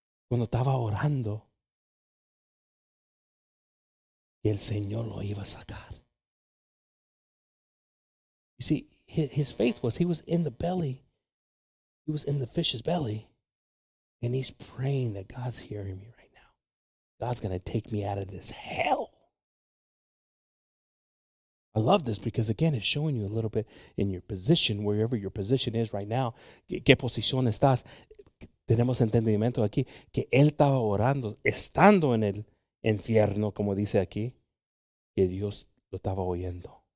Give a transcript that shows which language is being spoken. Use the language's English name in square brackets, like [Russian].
[Spanish] Cuando estaba orando y el Señor lo iba a sacar. [English] You see, his faith was, he was in the belly. He was in the fish's belly. And he's praying that God's hearing me right now. God's going to take me out of this hell. I love this because, again, it's showing you a little bit in your position, wherever your position is right now. [Spanish] ¿Qué posición estás? Tenemos entendimiento aquí que él estaba orando, estando en el infierno, como dice aquí, que Dios lo estaba oyendo.